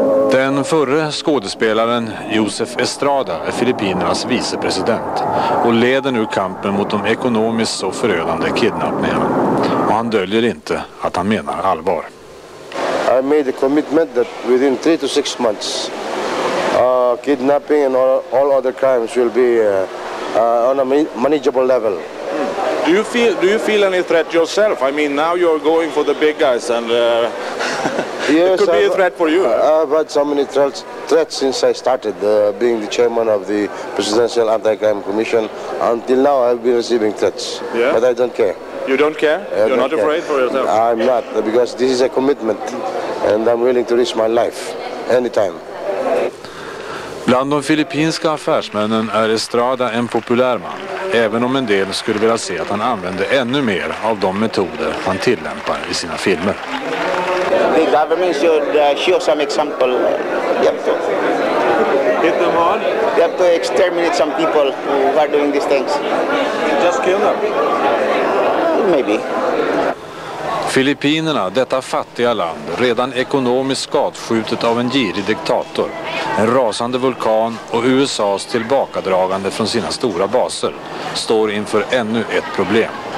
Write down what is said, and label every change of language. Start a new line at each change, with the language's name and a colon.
Swedish: Den förre skådespelaren Joseph Estrada är Filippinernas vicepresident och leder nu kampen mot de ekonomiskt så förödande kidnappningarna. Och han döljer inte att han menar allvar.
English: I made a commitment that within 3 to 6 months kidnapping and all other crimes will be on a manageable level. Do you feel any threat yourself? I mean, now you're going for the big guys and yes, it could be a threat for you. I've had so many threats since I started being the chairman of the Presidential Anti-Crime Commission. Until now I've been receiving threats, yeah? But I don't care. You don't care? You're not afraid for yourself? I'm not, because this is a commitment and I'm willing to risk my life anytime.
Swedish: Bland de filippinska affärsmännen är Estrada en populär man, även om en del skulle vilja se att han använder ännu mer av de metoder han tillämpar i sina filmer.
English: The government should show some example. They have to hit them hard. They have to exterminate some people who are doing these things. Just kill them. Maybe.
Swedish: Filippinerna, detta fattiga land, redan ekonomiskt skadskjutet av en girig diktator, en rasande vulkan och USAs tillbakadragande från sina stora baser, står inför ännu ett problem.